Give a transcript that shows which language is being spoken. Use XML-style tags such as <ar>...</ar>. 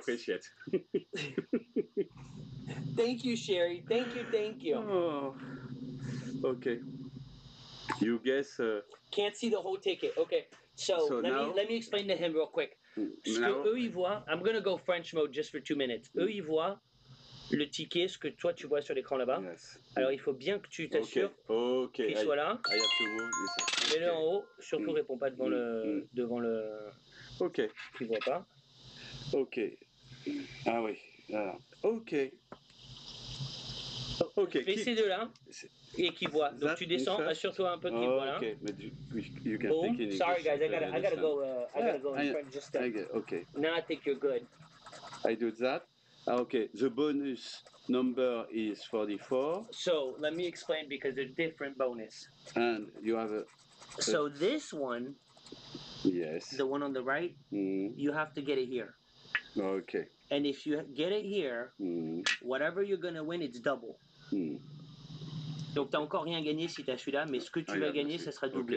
<en>appreciate it. Thank you, Sherry. Thank you. Thank you. Oh. Okay. You guess... Can't see the whole ticket. Okay, so let me explain to him real quick. I'm going to go French mode just for 2 minutes.</en> <fr>Eux, ils voient le ticket, ce que toi, tu vois sur l'écran là-bas.</fr> <en>Yes.</en> <fr>Alors, il faut bien que tu t'assures okay. qu'il soit là.</fr> <en>I have to move.</en> <fr>Okay. Mets-le en haut. Surtout, réponds pas devant le... Ok. Tu vois pas. Ok. Ah oui. Ok. Ok. Fais ces deux-là. Et qui voit. Donc tu descends, assure-toi un peu qu'il voit. Oh, voilà.</fr> <en>Ok. But you can boom. Think in English. Sorry, guys. I gotta go. Okay. Now I think you're good. I do that. Okay. The bonus number is 44. So let me explain because they're different bonus. And you have So this one. Yes. The one on the right. You have to get it here. Okay. And if you get it here, whatever you're going to win, it's double.</en> <fr>Donc, tu n'as encore rien gagné si tu as celui-là, mais ce que tu vas gagner, ça sera doublé.</fr>